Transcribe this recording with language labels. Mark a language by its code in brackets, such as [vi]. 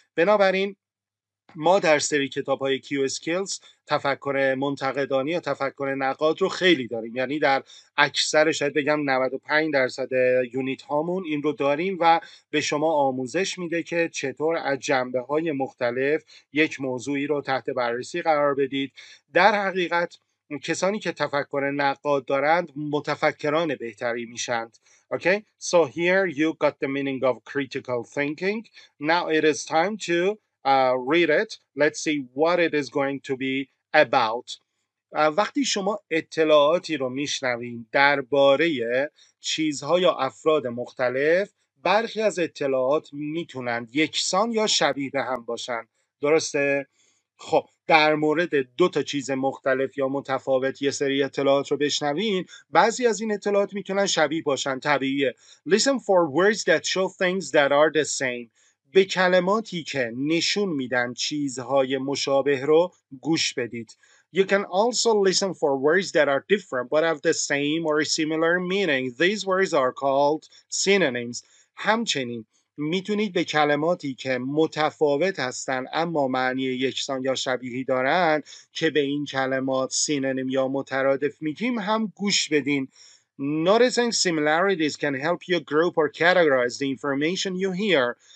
[fa] بنابراین ما در سری کتاب های کیو اسکیلز تفکر منتقدانی و تفکر نقاد رو خیلی داریم، یعنی در اکثر شاید بگم 95% یونیت هامون این رو داریم و به شما آموزش میده که چطور از جنبه های مختلف یک موضوعی رو تحت بررسی قرار بدید. در حقیقت کسانی که تفکر نقاد دارند متفکران بهتری میشند. [en] Okay, so here you got the meaning of critical thinking. Now it is time to read it. Let's see what it is going to be about. [fa] وقتی شما اطلاعاتی رو میشنوین درباره چیزها یا افراد مختلف، برخی از اطلاعات میتونن یکسان یا شبیه به هم باشن. درسته؟ خب در مورد دو تا چیز مختلف یا متفاوت یه سری اطلاعات رو بشنوین، بعضی از این اطلاعات میتونن شبیه باشن، طبیعیه. [en] Listen for words that show things that are the same. [fa] به کلماتی که نشون میدن چیزهای مشابه رو گوش بدید. [en] You can also listen for words that are different but have the same or similar meaning. These words are called synonyms. [fa] همچنین میتونید به کلماتی که متفاوت هستن اما معنی یکسان یا شبیهی دارن که به این کلمات سینونیم یا مترادف میگیم هم گوش بدین. [en] Noticing similarities can help you group or categorize the information you hear.